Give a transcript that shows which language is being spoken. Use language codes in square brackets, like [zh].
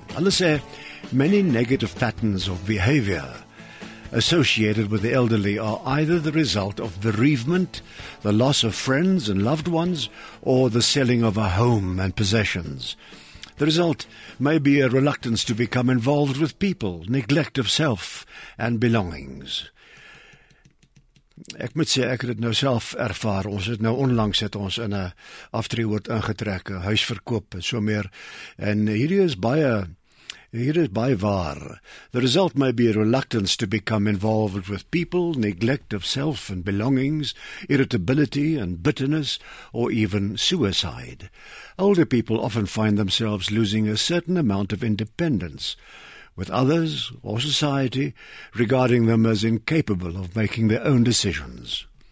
[af] Hulle sê, [en] many negative patterns of behavior associated with the elderly are either the result of bereavement, the loss of friends and loved ones, or the selling of a home and possessions. The result may be a reluctance to become involved with people, neglect of self and belongings. [af] Ek moet sê, ek het nou self ervaar, ons het nou onlangs het ons in 'n aftreeoord ingetrek, huisverkoop en so meer, en hier is baie waar. [en] The result may be a reluctance to become involved with people, neglect of self and belongings, irritability and bitterness, or even suicide. Older people often find themselves losing a certain amount of independence with others or society, regarding them as incapable of making their own decisions.